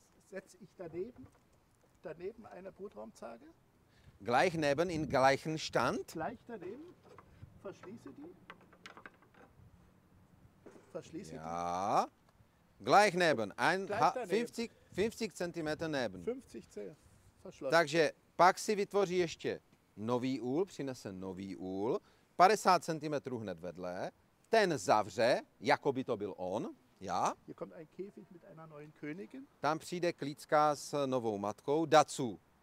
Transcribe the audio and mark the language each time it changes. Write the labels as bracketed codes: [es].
[de] Setze ich daneben eine Brutraumzarge? Gleich neben, in gleichen Stand? Gleich daneben, verschließe die. Ja, gleich neben, 50 cm neben. 50 cm verschlossen. [cs] Takže pak si vytvoří ještě nový úl, přinese nový úl, 50 cm hned vedle, ten zavře, jako by to byl on, já. [de] Hier kommt ein Käfig mit einer neuen Königin. [cs] Tam přijde klícka s novou matkou, [de] dazu.